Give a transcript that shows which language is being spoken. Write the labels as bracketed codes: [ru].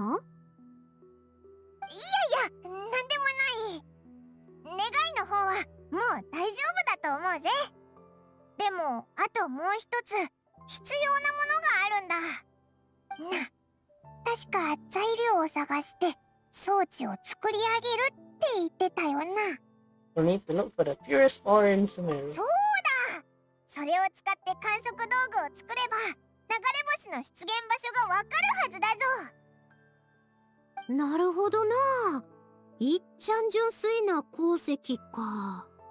[ja] いやいや、なんでもない。願いの方はもう大丈夫だと思うぜ。でも、あともう一つ必要なものがあるんだ。な、確か材料を探して装置を作り上げるって言ってたよな。 [en] We need to look for the purest ore in Sumeru. [ja] そうだ、それを使って観測道具を作れば流れ星の出現場所がわかるはずだぞ。なるほどな、いっちゃん純粋な鉱石か。